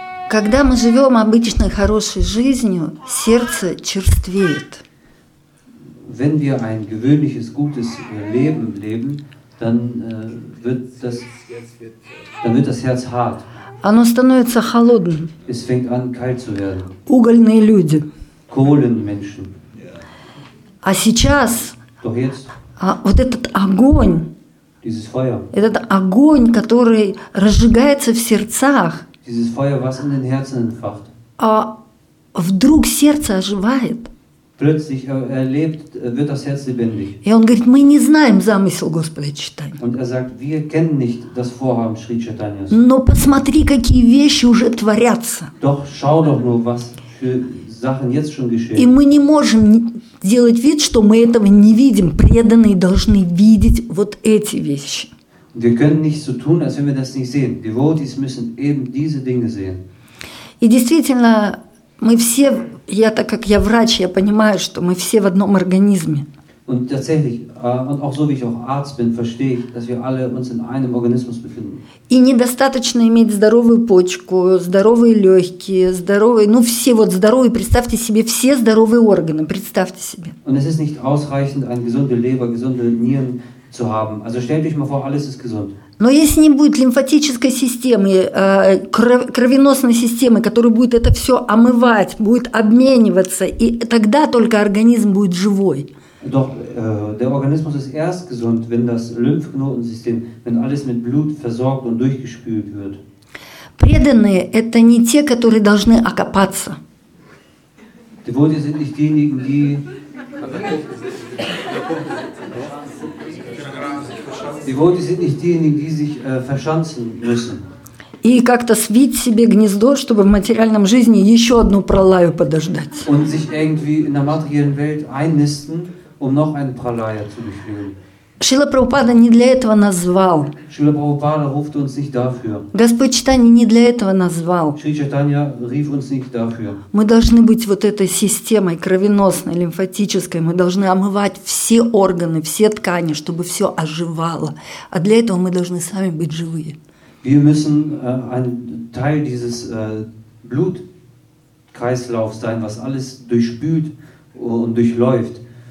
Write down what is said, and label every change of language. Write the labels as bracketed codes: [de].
[ru] Когда мы живем обычной хорошей жизнью, сердце черствеет. [de] Wenn wir ein gewöhnliches gutes Leben leben, dann wird das Herz hart. [ru] Оно становится холодным. [de] Es fängt an kalt zu werden. [ru] Угольные люди. [de] Kohlenmenschen. [ru] А сейчас? [de] Doch jetzt. [ru] А вот этот огонь. [de] Dieses Feuer. [ru] Этот огонь, который разжигается в сердцах. [de] Dieses Feuer, was in den Herzen entfacht. [ru] А вдруг сердце оживает. [de] Plötzlich erlebt, wird das Herz lebendig. [ru] И он говорит, мы не знаем замысел Господа Чайтаньи. [de] Und er sagt, wir kennen nicht das Vorhaben Шри Чайтаньи. [ru] Но посмотри, какие вещи уже творятся. [de] Doch schau doch nur, was für Sachen jetzt schon geschehen. [ru] И мы не можем делать вид, что мы этого не видим. Преданные должны видеть вот эти вещи. [de] Wir können nicht so tun, als wenn wir das nicht sehen. Devotees müssen eben diese Dinge sehen. [ru] И действительно, мы все, я так как я врач, я понимаю, что мы все в одном организме. [de] Und tatsächlich, und auch so wie ich auch Arzt bin, verstehe ich, dass wir alle uns in einem Organismus befinden. [ru] И недостаточно иметь здоровую почку, здоровые легкие, здоровые, ну все вот здоровые, представьте себе, все здоровые органы, представьте себе. [de] Und es ist nicht ausreichend, eine gesunde Leber, gesunde Nieren zu haben. Also stellt euch mal vor, alles ist gesund. [ru] Но если не будет лимфатической системы, кровеносной системы, которая будет это все омывать, будет обмениваться, и тогда только организм будет живой. [de] Doch der Organismus ist erst gesund, wenn das Lymphknotensystem, wenn alles mit Blut versorgt und durchgespült wird. [ru] Преданные – это не те, которые должны окопаться. [de] Devotees sind nicht diejenigen, die Devotees sind nicht diejenigen, die sich verschanzen müssen. [ru] И как-то свить себе гнездо, чтобы в материальном жизни еще одну пролаю подождать. [de] Und sich irgendwie in der materiellen Welt einnisten, um noch einen Pralaya zu befriedigen. [ru] Шрила Прабхупада не для этого назвал. [de] Шрила Прабхупада ruft uns nicht dafür. [ru] Господь Чайтанья не для этого назвал. [de] Шри Чайтанья rief uns nicht dafür. [ru] Мы должны быть вот этой системой кровеносной, лимфатической. Мы должны омывать все органы, все ткани, чтобы все оживало. А для этого мы должны сами быть живые. [de] Wir müssen ein Teil dieses Blutkreislaufs sein, was alles durchspült und durchläuft.